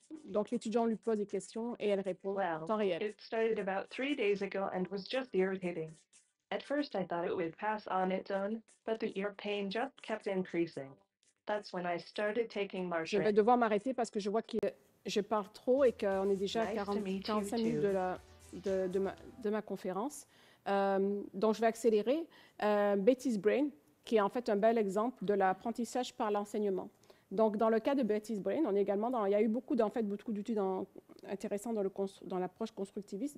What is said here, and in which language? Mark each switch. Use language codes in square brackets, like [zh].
[fr] Donc l'étudiant lui pose des questions et elle répond en temps réel. [en] It started about 3 days ago and was just irritating. At first, I thought it would pass on its own, but the ear pain just kept increasing. That's when I started taking Marjorie. [fr] Je vais devoir m'arrêter parce que je vois que je parle trop et qu'on est déjà à 45 minutes de ma conférence. Donc, je vais accélérer. Betty's Brain, qui est en fait un bel exemple de l'apprentissage par l'enseignement. Donc, dans le cas de Betty's Brain, il y a eu beaucoup d'outils intéressants dans l'approche constructiviste.